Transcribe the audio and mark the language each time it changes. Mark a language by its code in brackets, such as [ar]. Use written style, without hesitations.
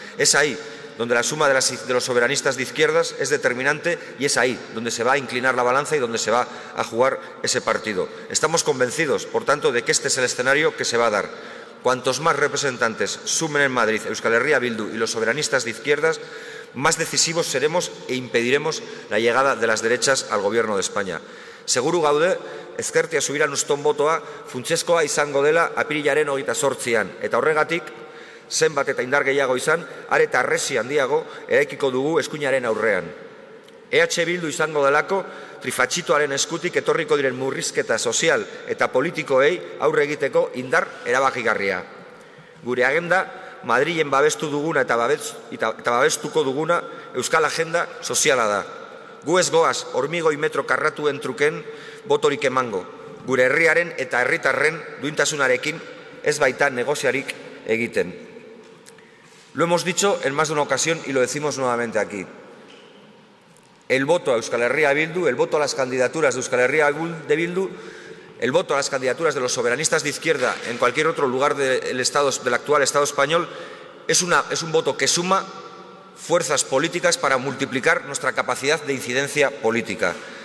[es] Es ahí donde la suma de los soberanistas de izquierdas es determinante y es ahí donde se va a inclinar la balanza y donde se va a jugar ese partido. Estamos convencidos, por tanto, de que este es el escenario que se va a dar. Cuantos más representantes sumen en Madrid Euskal Herria Bildu y los soberanistas de izquierdas, más decisivos seremos e impediremos la llegada de las derechas al Gobierno de España. [eu] Seguru gaude, ezkertia subirá nuestro voto a funtsezkoa izango dela apirilaren 28an, eta horregatik, zenbat eta indar gehiago izan, are eta arresi handiago eraikiko dugu eskuinaren aurrean. EH Bildu izango delako, trifatxitoaren eskutik etorriko diren murrizketa sozial eta politikoei aurre egiteko indar erabakigarria. Gure agenda, Madrilen babestu duguna eta babestuko duguna Euskal Agenda soziala da. Gu ez goaz hormigoi metro karratuen truken botorik emango. Gure herriaren eta herritarren duintasunarekin ez baita negoziarik egiten. [es] Lo hemos dicho en más de una ocasión y lo decimos nuevamente aquí. El voto a Euskal Herria Bildu, el voto a las candidaturas de Euskal Herria Bildu, el voto a las candidaturas de los soberanistas de izquierda en cualquier otro lugar del actual Estado español es un voto que suma fuerzas políticas para multiplicar nuestra capacidad de incidencia política.